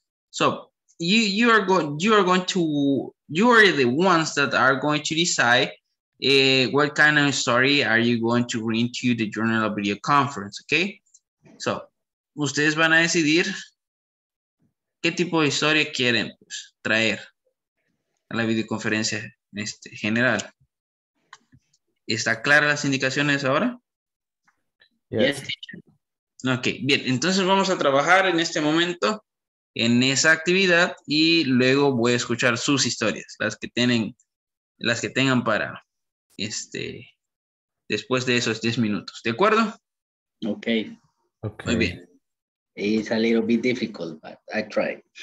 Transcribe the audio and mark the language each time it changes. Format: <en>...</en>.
<en>So you are the ones that are going to decide what kind of story are you going to bring to the Journal of Video Conference, okay?</en> <es>So ustedes van a decidir qué tipo de historia quieren traer a la videoconferencia general. ¿Está clara las indicaciones ahora?</es> <en>Yes.</en> <es>Ok, bien. Entonces vamos a trabajar en este momento en esa actividad y luego voy a escuchar sus historias, las que tengan para después de esos 10 minutos. ¿De acuerdo? Ok. Okay. Muy bien.</es> <en>It's a little bit difficult, but I try.</en>